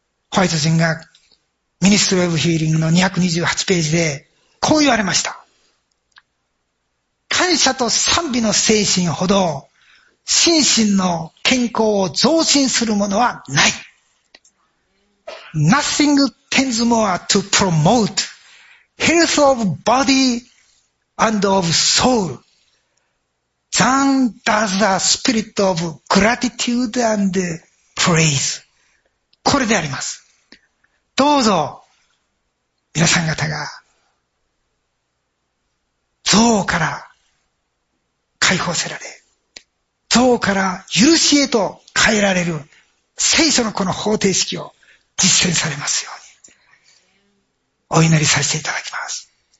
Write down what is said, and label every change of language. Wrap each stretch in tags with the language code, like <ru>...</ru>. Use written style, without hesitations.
<ja>ホワイト人がミニストリー・オブ・ヒーリングの228ページでこう言われました。感謝と賛美の精神ほど心身の健康を増進するものはない。</ja> <en>Nothing tends more to promote health of bodyAnd of soul, than does the spirit of gratitude and praise.</en> <ja>これであります。どうぞ、皆さん方が、憎悪から解放せられ、憎悪から許しへと変えられる聖書のこの方程式を実践されますように、お祈りさせていただきます。</ja>